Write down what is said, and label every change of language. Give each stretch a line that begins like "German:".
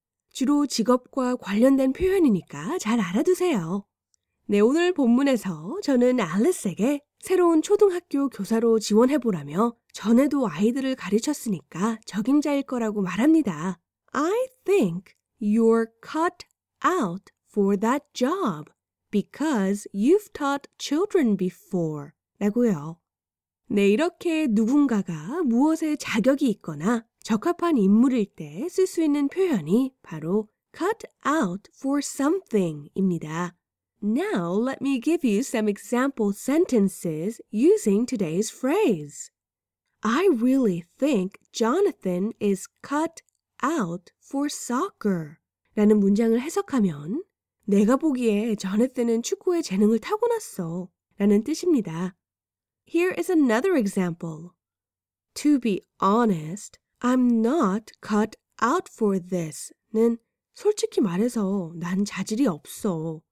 Korean: 주로 직업과 관련된 표현이니까 잘 알아두세요. 네, 오늘 본문에서 저는 Alice에게 새로운 초등학교 교사로 지원해보라며 전에도 아이들을 가르쳤으니까 적임자일 거라고 말합니다.
English: I think you're cut out for that job because you've taught children before.
Korean: 라고요. 네, 이렇게 누군가가 무엇에 자격이 있거나 적합한 인물일 때 쓸 수 있는 표현이 바로 cut out for something입니다.
English: Now, let me give you some example sentences using today's phrase. I really think Jonathan is cut out for soccer.
Korean: 라는 문장을 해석하면 내가 보기에 Jonathan은 축구에 재능을 타고났어 라는 뜻입니다.
English: Here is another example. To be honest, I'm not cut out for this.
Korean: 는 솔직히 말해서 난 자질이 없어.